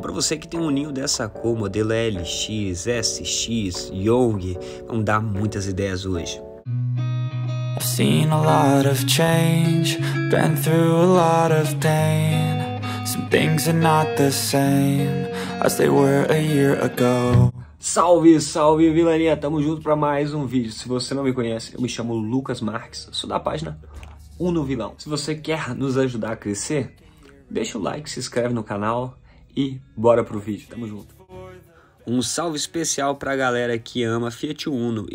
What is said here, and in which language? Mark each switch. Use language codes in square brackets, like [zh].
[pt] Para você que tem um ninho dessa cor, modelo LX, SX, Young, vamos dar muitas ideias hoje. [en] I've seen a lot of change, been through a lot of pain. Some things are not the same as they were a year ago. [pt] Salve, salve, vilania! Tamo junto para mais um vídeo. Se você não me conhece, eu me chamo Lucas Marques, sou da página Uno Vilão. Se você quer nos ajudar a crescer, deixa o like, se inscreve no canal e bora pro vídeo. Tamo junto. Um salve especial pra galera que ama Fiat Uno.